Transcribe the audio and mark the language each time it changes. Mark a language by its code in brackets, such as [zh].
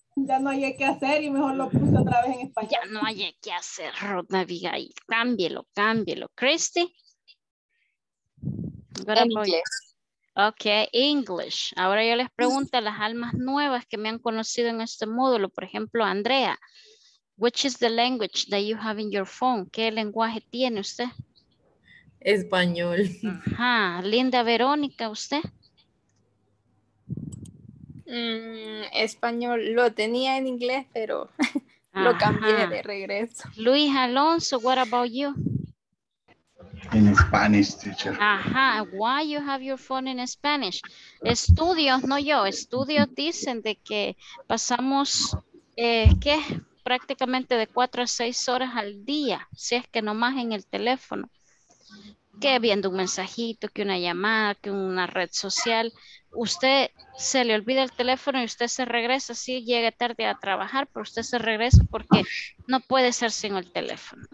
[es] Ya no hay que hacer y mejor lo puse otra vez en español. Ya no hay que hacer, Ruth Abigail. Cámbielo, cámbielo. Christy. [en] Ok, English. [es] Ahora yo les pregunto a las almas nuevas que me han conocido en este módulo. Por ejemplo, Andrea. [en] Which is the language that you have in your phone? [es] ¿Qué lenguaje tiene usted? Español. Ajá. Linda Verónica, ¿usted? Español, lo tenía en inglés, pero lo cambié de regreso. [en] Luis Alonso, what about you? In Spanish, teacher. Ajá, why you have your phone in Spanish? [es] Estudios, no yo, estudios dicen de que pasamos, ¿qué? Prácticamente de 4 a 6 horas al día, si es que nomás en el teléfono. Que viendo un mensajito, que una llamada, que una red social, usted se le olvida el teléfono y usted se regresa, sí, llega tarde a trabajar, pero usted se regresa porque no puede ser sin el teléfono.